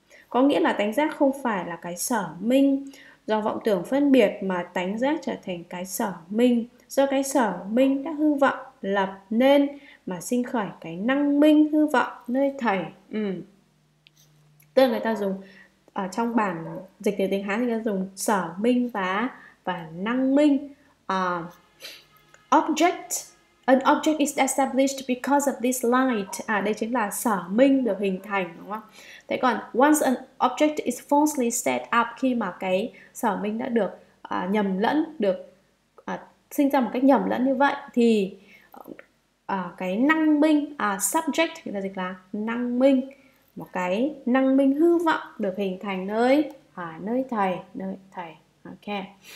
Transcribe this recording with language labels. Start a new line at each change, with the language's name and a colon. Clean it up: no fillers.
Vietnamese: Có nghĩa là tánh giác không phải là cái sở minh do vọng tưởng phân biệt, mà tánh giác trở thành cái sở minh do cái sở minh đã hư vọng lập nên mà sinh khởi cái năng minh hư vọng nơi thầy. Tức là người ta dùng ở trong bản dịch từ tiếng Hán thì người ta dùng sở minh và năng minh.
English: Object. An object is established because of this light.
Vietnamese: À, đây chính là sở minh được hình thành, đúng không? Thế còn,
English: once an object is falsely set up,
Vietnamese: khi mà cái sở minh đã được nhầm lẫn, được sinh ra một cách nhầm lẫn như vậy, thì cái năng minh, subject, người ta dịch là năng minh, một cái năng minh hư vọng được hình thành nơi, nơi thầy, nơi thầy. Okay.